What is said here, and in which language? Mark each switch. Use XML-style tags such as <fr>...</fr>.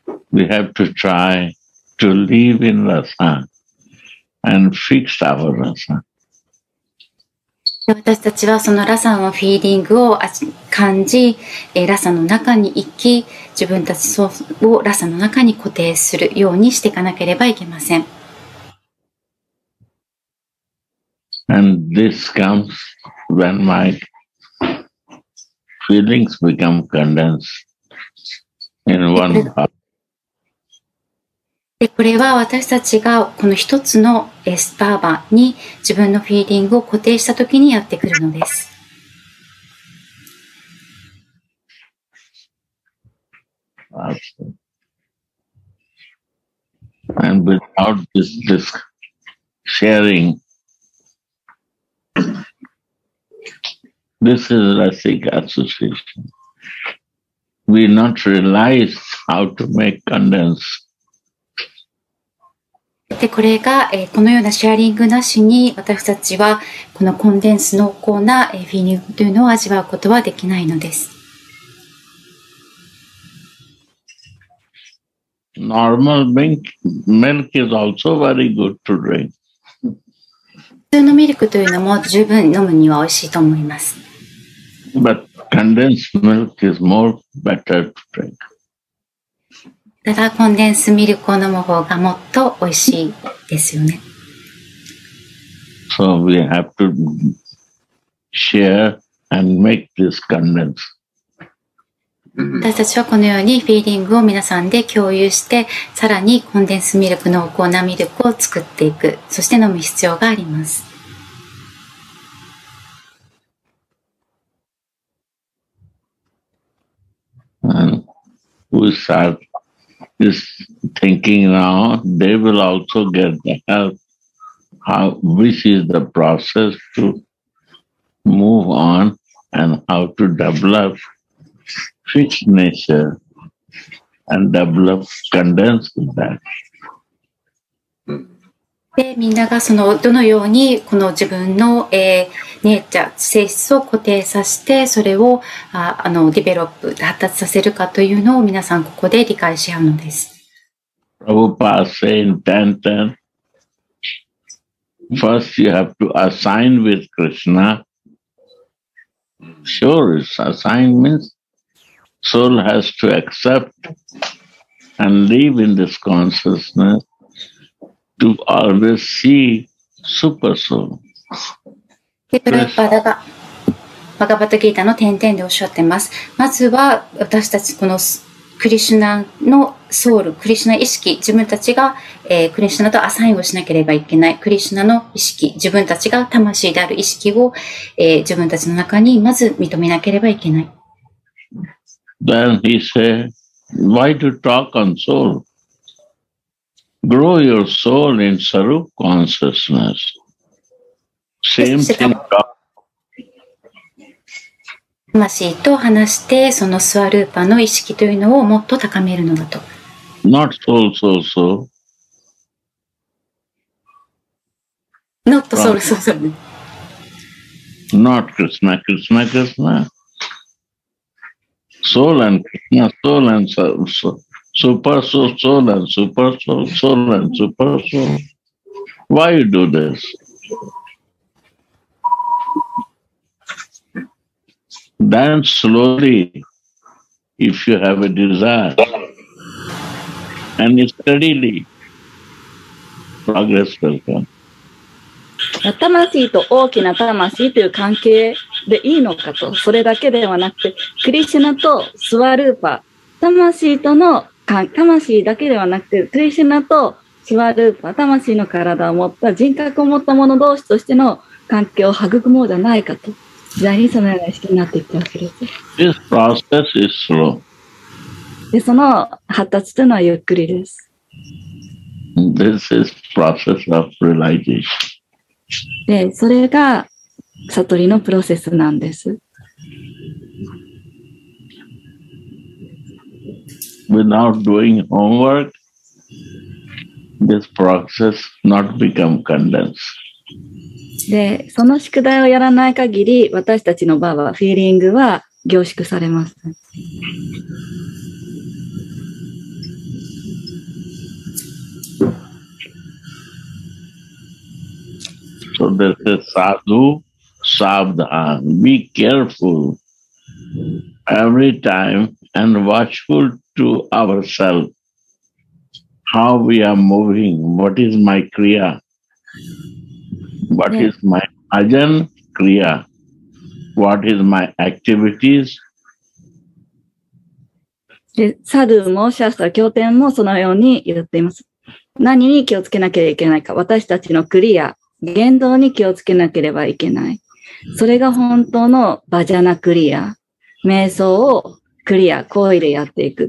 <en>We have to try to live in rasa and fix our rasa.</en> <ja>私たちはそのラサのフィーリングを感じ、ラサの中に行き、自分たちをラサの中に固定するようにしていかなければいけません。</ja> <en>And this comes when my feelings become condensed in one part.</en> <ja>でこれは私たちがこの一つのスターバーに自分のフィーリングを固定したときにやってくるのです。</ja> <en>And without this, this sharing, this is Rasic Association. We not realize how to make condense.</en> <ja>でこれが、このようなシェアリングなしに私たちはこのコンデンス濃厚な、フィーリングというのを味わうことはできないのです。</ja> <en>Normal milk is also very good to drink.</en> <ja>普通のミルクというのも十分飲むには美味しいと思います。</ja> <en>But condensed milk is more better to drink.</en> <ja>ただコンデンスミルクを飲む方がもっと美味しいですよね。</ja> <en>So we have to share and make this condense.</en> <ja>私たちはこのようにフィーリングを皆さんで共有して、さらにコンデンスミルク濃厚なミルクを作っていく、そして飲む必要があります。</ja> <en>We start. Is thinking now they will also get the help. How, which is the process to move on and how to develop fixed nature and develop condensed that.</en> <ja>で、みんながそのどのようにこの自分の、ネイチャー、性質を固定させて、それをディベロップ、発達させるかというのを皆さんここで理解し合うのです。</ja> <en>Prabhupada saying ten ten. First you have to assign with Krishna. Sure, it's assigned means soul has to accept and live in this consciousness. To always see super soul.</en> <ja>で、プラッパダがバガバタギータの点々でおっしゃってます。まずは私たちこのクリシュナのソウル、クリシュナ意識、自分たちが、クリシュナとアサインをしなければいけない。クリシュナの意識、自分たちが魂である意識を、自分たちの中にまず認めなければいけない。</ja> <en>Then he said, why to talk on soul? Grow your soul in Sarup consciousness. Same thing.</en> <ja>魂と話して、そのスワルーパの意識というのをもっと高めるのだと。</ja> <en>Not soul, soul, soul. Not soul, soul, soul. Not Krishna, Krishna, Krishna. Soul and Krishna, soul and soul, soul. Super soul, soul and super soul, soul and super soul. Why you do this? Then slowly, if you have a desire, and steadily, progress will come.</en> <ja>魂と大きな魂という関係でいいのかと、それだけではなくて、クリシュナとスワルーパ、魂との魂だけではなくて、クリシュナとスワルーパ、魂の体を持った人格を持った者同士としての関係を育もうじゃないかと、ジャニーさんのような意識になっていったわけです。</ja> <en>This process is slow.</en> <ja>で、その発達というのはゆっくりです。</ja> <en>This is process of realization.</en> <ja>で、それが悟りのプロセスなんです。</ja> <en>Without doing homework, this process not become condensed.</en> <ja>で、その宿題をやらない限り、私たちの場はフィーリングは凝縮されます。</ja> <en>So this is sadhu, sabdhan. Be careful every time and watchful. To ourselves, how we are moving, what is my kriya, what is my ajan kriya, what is my activities.</en> <ja>サドゥもシャスタ経典もそのように言っています。何に気をつけなきゃいけないか、私たちのクリア、言動に気をつけなければいけない。それが本当のバジャナクリア、瞑想をクリア、行為でやっていく。</ja>